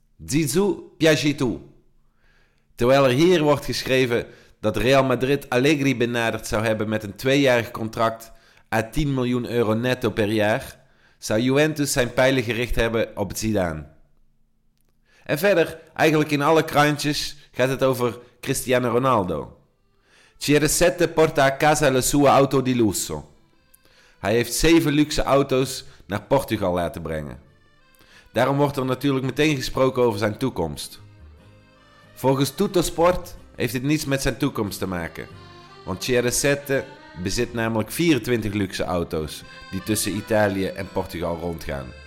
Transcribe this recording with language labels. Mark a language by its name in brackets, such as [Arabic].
[Dutch] Zizou Piagitou. Terwijl er hier wordt geschreven dat Real Madrid Allegri benaderd zou hebben met een 2-jarig contract à 10 miljoen euro netto per jaar, zou Juventus zijn pijlen gericht hebben op Zidane. En verder, eigenlijk in alle krantjes, gaat het over Cristiano Ronaldo. [Italian] CR7 porta a casa la sua auto di lusso. [Dutch] Hij heeft 7 luxe auto's naar Portugal laten brengen. Daarom wordt er natuurlijk meteen gesproken over zijn toekomst. Volgens Tutto Sport heeft dit niets met zijn toekomst te maken. Want CR7 bezit namelijk 24 luxe auto's die tussen Italië en Portugal rondgaan.